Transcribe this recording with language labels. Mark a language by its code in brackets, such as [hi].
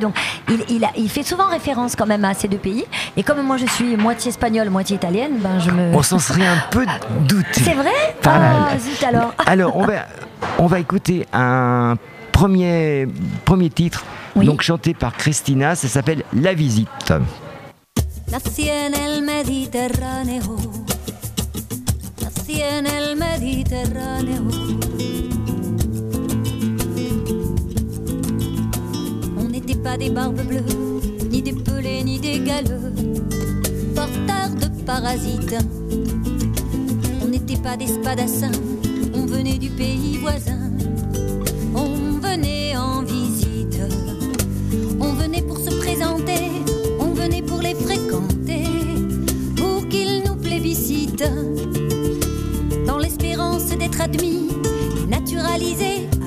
[fr] Donc il fait souvent référence quand même à ces deux pays. Et comme moi je suis moitié espagnole, moitié italienne, ben je me... On s'en serait un peu douté. C'est vrai ? Zut alors. Alors on va écouter un premier titre, oui. Donc chanté par Christina, ça s'appelle La Visite. [es] Nací en el Mediterráneo. Nací en el Mediterráneo. [fr] On n'était pas des barbes bleues. Ni des pelés, ni des galeux, porteurs de parasites. On n'était pas des spadassins, on venait du pays voisin. On venait en visite, on venait pour se présenter, on venait pour les fréquenter, pour qu'ils nous plébiscitent, dans l'espérance d'être admis, naturalisés.